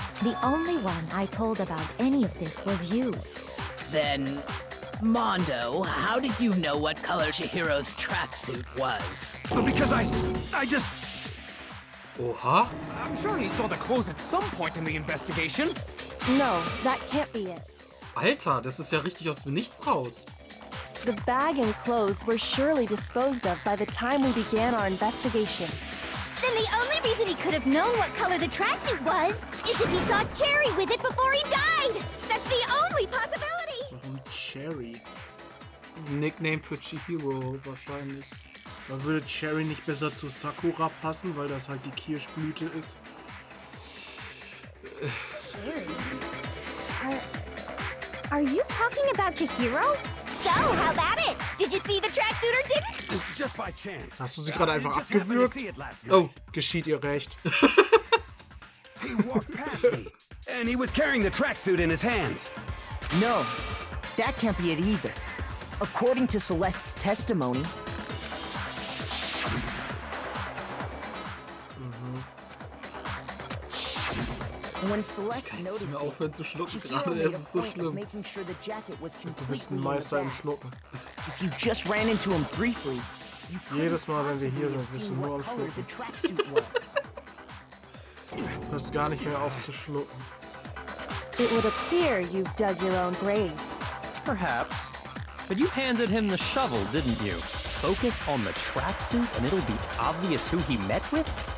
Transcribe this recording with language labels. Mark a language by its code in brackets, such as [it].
[en] The only one I told about any of this was you. Then, Mondo, how did you know what color Chihiro's tracksuit was? Because I just... Oha? I'm sure he saw the clothes at some point in the investigation. No, that can't be it. [de] Alter, das ist ja richtig aus dem Nichts raus. [en] The bag and clothes were surely disposed of by the time we began our investigation. Then the only reason he could have known what color the tracksuit was is if he saw Cherry with it before he died! That's the only possibility! [de] Warum Cherry? Nickname für Chihiro wahrscheinlich. Also würde Cherry nicht besser zu Sakura passen, weil das halt die Kirschblüte ist? [en] Cherry? Are you talking about Chihiro? So, how about it? Did you see the tracksuit or didn't? Just by chance. [de] Hast du sie gerade einfach abgewürgt? Oh, geschieht ihr recht. [en] He walked past me. And he was carrying the tracksuit in his hands. No, that can't be it either. According to Celeste's testimony... When Celeste noticed [de] mir aufhören zu schlucken gerade, es ist so schlimm. [en] Sure, [de] du bist ein Meister im Schlucken. [en] If you just ran into him briefly, you [de] jedes Mal, wenn wir hier sind, bist du nur am Schlucken. Du hörst gar nicht mehr auf zu schlucken. [en] It would appear you've dug your own grave. Perhaps. But you handed him the shovel, didn't you? Focus on the tracksuit and it'll be obvious who he met with?